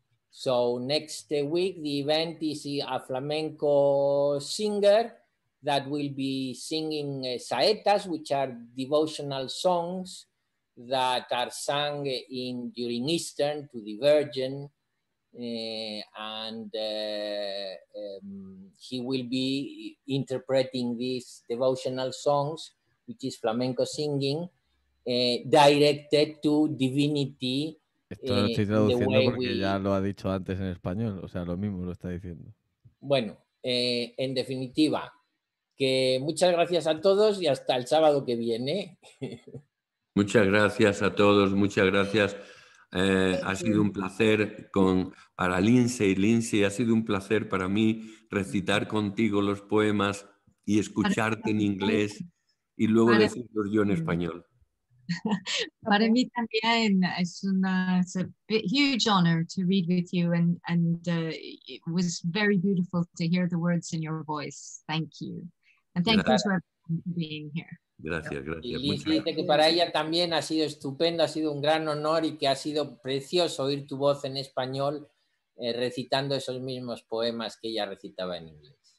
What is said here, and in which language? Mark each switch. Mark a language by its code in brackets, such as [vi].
[en] So next week the event is a flamenco singer that will be singing saetas, which are devotional songs that are sung in during Eastern to the Virgin, he will be interpreting these devotional songs, which is flamenco singing, directed to divinity. [es] Esto lo estoy traduciendo porque ya lo ha dicho antes en español, o sea, lo mismo lo está diciendo. Bueno, en definitiva, que muchas gracias a todos y hasta el sábado que viene. Muchas gracias a todos, muchas gracias. Ha sido un placer para Lindsay, ha sido un placer para mí recitar contigo los poemas y escucharte en inglés y luego decirlos yo en español. Para mí también es [en] a huge honor to read with you, and it was very beautiful to hear the words in your voice. Thank you, and thank you for being here. [es] Gracias. Y Liz dice que para ella también ha sido estupendo, ha sido un gran honor y que ha sido precioso oír tu voz en español recitando esos mismos poemas que ella recitaba en inglés.